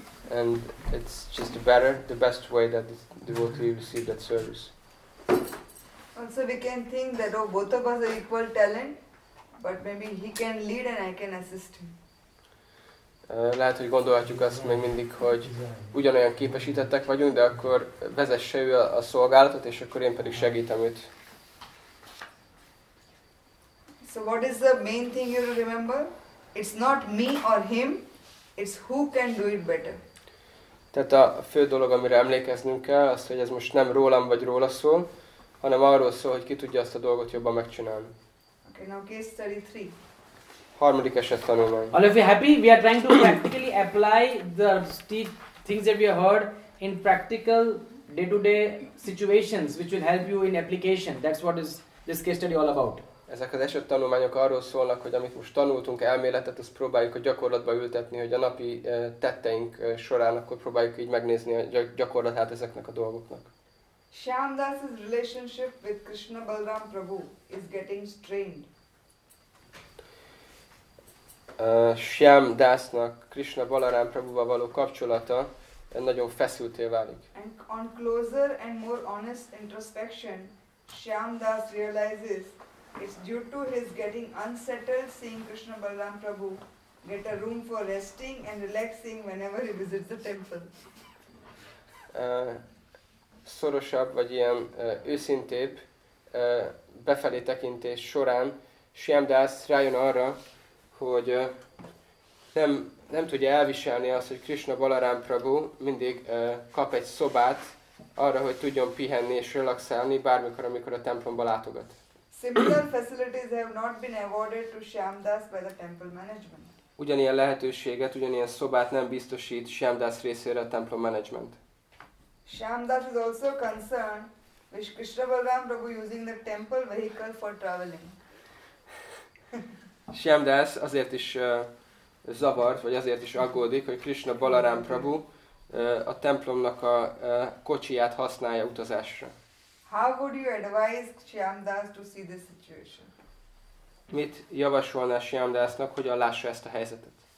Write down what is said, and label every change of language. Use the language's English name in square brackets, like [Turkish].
[English] And it's just the best way that the devotee received that service. Also, we can think that both of us are equal talent, but maybe he can lead and I can assist him. [Hungarian] Lehet, hogy gondolhatjuk azt még mindig, hogy ugyanolyan képesítettek vagyunk, de akkor vezesse ő a szolgálatot, és akkor én pedig segítem őt. [English] So what is the main thing you remember? It's not me or him, it's who can do it better. [Hungarian] Tehát a fő dolog, amire emlékeznünk kell, az, hogy ez most nem rólam vagy róla szól, hanem arról szól, hogy ki tudja azt a dolgot jobban megcsinálni. [English] Okay, now case 33. [Hungarian] Harmadik eset tanulmány. [English] All of you happy? We are trying to practically apply the things that we have heard in practical day-to-day situations, which will help you in application. That's what is this case study all about. [Hungarian] Ezek az eset tanulmányok arról szólnak, hogy amit most tanultunk elméletet, azt próbáljuk a gyakorlatba ültetni, hogy a napi tetteink során akkor próbáljuk így megnézni a gyakorlatát ezeknek a dolgoknak. [English] Shyamdas's relationship with Krishna Balram Prabhu is getting strained. [Hungarian] Shyam Dasnak, Krishna Balaram Prabhuval való kapcsolata nagyon feszülté válik. [English] And on closer and more honest introspection, Shyam Das realizes it's due to his getting unsettled seeing Krishna Balaram Prabhu get a room for resting and relaxing whenever he visits the temple. [Hungarian] Szorosabb vagy ilyen őszintébb befelé tekintés során Shyam Das rájön arra, hogy nem tudja elviselni azt, hogy Krishna Balaram Prabhu mindig kap egy szobát arra, hogy tudjon pihenni és relaxálni bármikor, amikor a templomba látogat. [English] Similar facilities have not been awarded to Shyamdas by the temple management. [Hungarian] Ugyanilyen lehetőséget, ugyanilyen szobát nem biztosít Shyamdas részére a templom management. [English] Shyamdas is also concerned with Krishna Balaram Prabhu using the temple vehicle for traveling. [Hungarian] Shyamdas azért is zavart, vagy azért is aggódik, hogy Krishna Balaram Prabhu a templomnak a kocsiját használja utazásra. [English] How would you advise Shyamdas to see this situation? [Hungarian] Mit javasolná Shyamdasnak, hogyan lássa ezt a helyzetet?